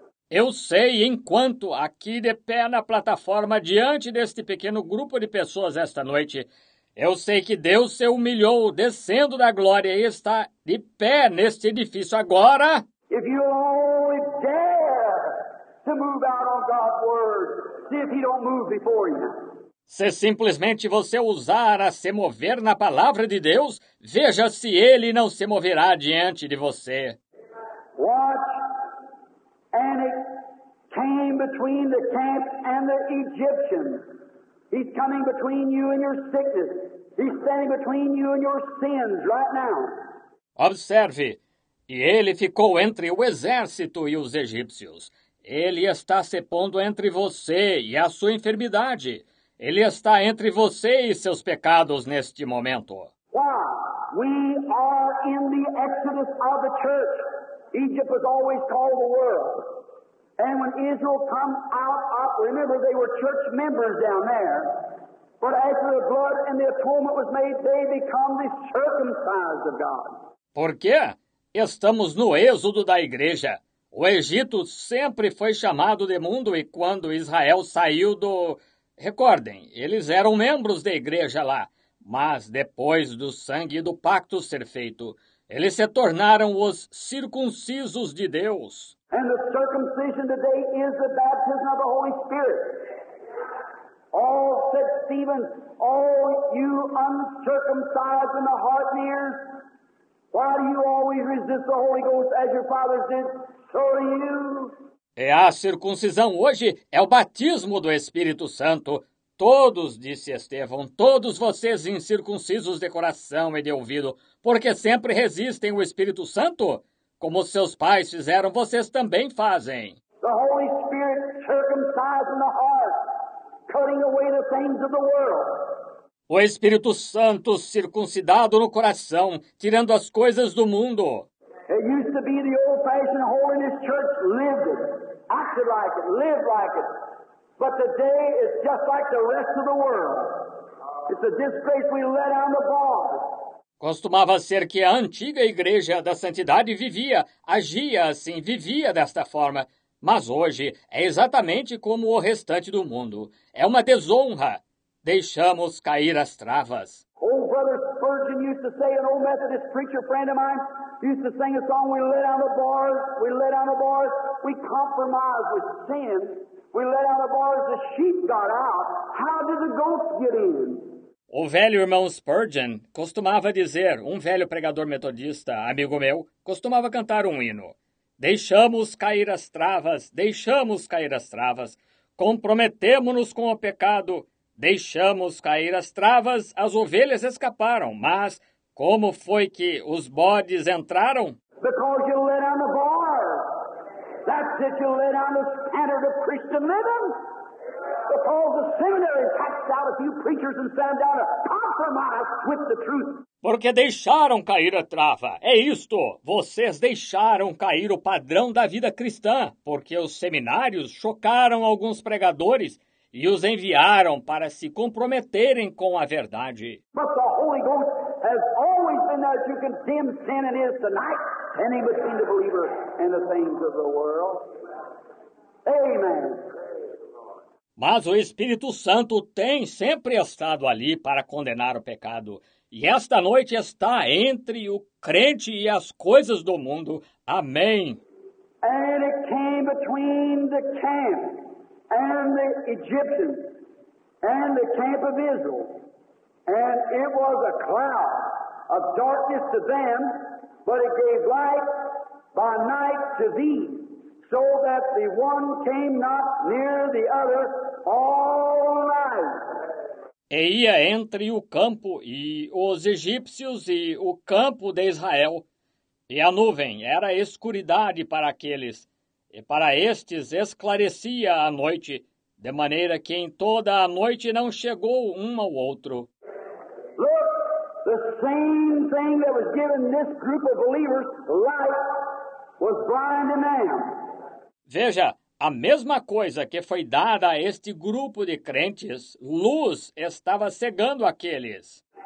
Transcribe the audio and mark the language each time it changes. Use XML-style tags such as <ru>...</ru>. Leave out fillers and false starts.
<pt>Eu sei, enquanto aqui de pé na plataforma, diante deste pequeno grupo de pessoas esta noite, eu sei que Deus se humilhou descendo da glória e está de pé neste edifício agora.</pt> <en>If you only dare to move out on God's word, see if he don't move before you.</en> <pt>Se simplesmente você usar a se mover na palavra de Deus, veja se ele não se moverá diante de você.</pt> <en>Watch. And it came between the camp and the Egyptians. He's coming between you and your sickness. He's standing between you and your sins right now. Observe.</en> <pt>E ele ficou entre o exército e os egípcios. Ele está se pondo entre você e a sua enfermidade. Ele está entre você e seus pecados neste momento.</pt> <en>Why? We are in the exodus of the church. Egypt was always called the world. And when Israel come out, remember they were church members down there. But after the blood and the atonement was made, they become the circumcised of God.</en> <pt>Por quê? Estamos no êxodo da igreja. O Egito sempre foi chamado de mundo e quando Israel saiu do... Recordem, eles eram membros da igreja lá, mas depois do sangue do pacto ser feito, eles se tornaram os circuncisos de Deus.</pt> <en>And the circumcision today is the baptism of the Holy Spirit. Oh, said Stephen, all you uncircumcised in the heart and ears, why do you always resist the Holy Ghost as your fathers did? So do you.</en> <pt>E a circuncisão hoje é o batismo do Espírito Santo. Todos, disse Estevão, todos vocês incircuncisos de coração e de ouvido, porque sempre resistem o Espírito Santo, como seus pais fizeram, vocês também fazem.</pt> <en>The Holy Spirit circumcised in the heart, cutting away the things of the world.</en> <pt>O Espírito Santo circuncidado no coração, tirando as coisas do mundo.</pt> <en>It used to be the old-fashioned holiness church lived it. Acted like it, lived like it. But today it's just like the rest of the world. It's a disgrace we let on the bar.</en> <pt>Costumava ser que a antiga igreja da santidade vivia, agia assim, vivia desta forma. Mas hoje é exatamente como o restante do mundo. É uma desonra. Deixamos cair as travas.</pt> <en>Old Brother Spurgeon used to say, an old Methodist preacher friend of mine, used to sing a song, we let on the bars, we let on the bars, we compromise with sin, we let on the bars, the sheep got out, how did the goats get in?</en> <pt>O velho irmão Spurgeon costumava dizer, um velho pregador metodista, amigo meu, costumava cantar um hino, deixamos cair as travas, deixamos cair as travas, comprometemo-nos com o pecado, deixamos cair as travas, as ovelhas escaparam, mas... Como foi que os bodes entraram?</pt> <en>Because you let on the bar. That's it, you let on the standard of Christian living. Because the seminary taxed out a few preachers and found out a compromise with the truth.</en> <pt>Porque deixaram cair a trava. É isto. Vocês deixaram cair o padrão da vida cristã. Porque os seminários chocaram alguns pregadores e os enviaram para se comprometerem com a verdade.</pt> <en>But the Holy Ghost has always been there to condemn sin and is tonight standing between the believer and the things of the world. Amen.</en> <pt>Mas o Espírito Santo tem sempre estado ali para condenar o pecado. E esta noite está entre o crente e as coisas do mundo. Amém.</pt> <en>And it came between the camp and the Egyptians and the camp of Israel. And it was a cloud of darkness to them, but it gave light by night to thee, so that the one came not near the other all night.</en> <pt>E ia entre o campo e os egípcios e o campo de Israel, e a nuvem era escuridade para aqueles, e para estes esclarecia a noite, de maneira que em toda a noite não chegou um ao outro.</pt> <en>Look, the same thing that was giving this group of believers light was blinding them.</en> <pt>Veja, a mesma coisa que foi dada a este grupo de crentes, luz estava cegando aqueles.</pt>